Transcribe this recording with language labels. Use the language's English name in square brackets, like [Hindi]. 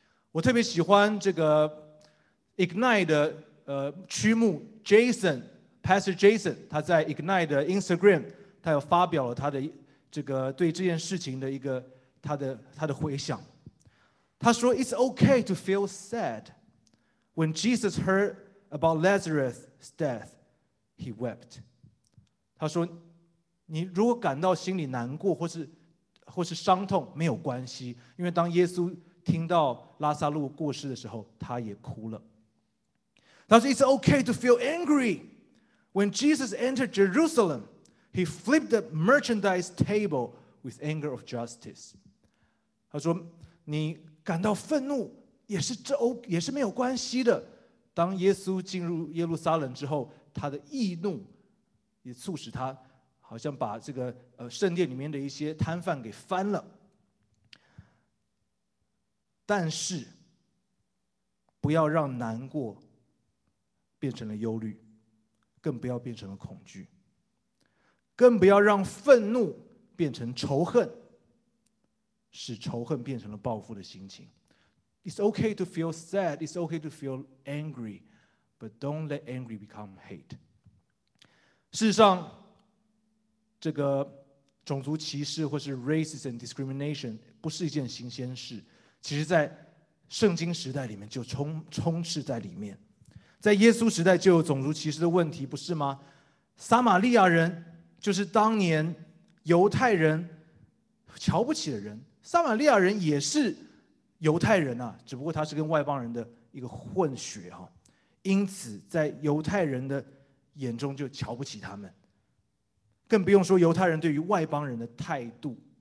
[Chinese] 我特别喜欢这个 Ignite 的区牧 Jason, Pastor Jason, 他在 Ignite 的 Instagram, 他有发表了他的这个对这件事情的一个他的回想，他说 [English] "It's okay to feel sad. When Jesus heard about Lazarus' death, he wept." [Chinese] 他说，你如果感到心里难过或是伤痛，没有关系，因为当耶稣听到拉撒路过世的时候，他也哭了。他说 [English] "It's okay to feel angry. When Jesus entered Jerusalem, he flipped the merchandise table with anger of justice." [Chinese] 他说你感到愤怒也是没有关系的，当耶稣进入耶路撒冷之后，他的义怒也促使他好像把这个圣殿里面的一些摊贩给翻了。但是不要让难过变成了忧虑，更不要变成了恐惧，更不要让愤怒变成仇恨，使仇恨变成了报复的心情。 [English] It's okay to feel sad, it's okay to feel angry, but don't let angry become hate. [Chinese] 事实上，这个种族歧视或是 [English] racism and discrimination [Chinese] 不是一件新鲜事，其实在圣经时代里面就 充斥在里面。在耶稣时代就有种族歧视的问题，不是吗？撒玛利亚人就是当年犹太人瞧不起的人，撒玛利亚人也是犹太人啊，只不过他是跟外邦人的一个混血啊，因此在犹太人的眼中就瞧不起他们，更不用说犹太人对于外邦人的态度。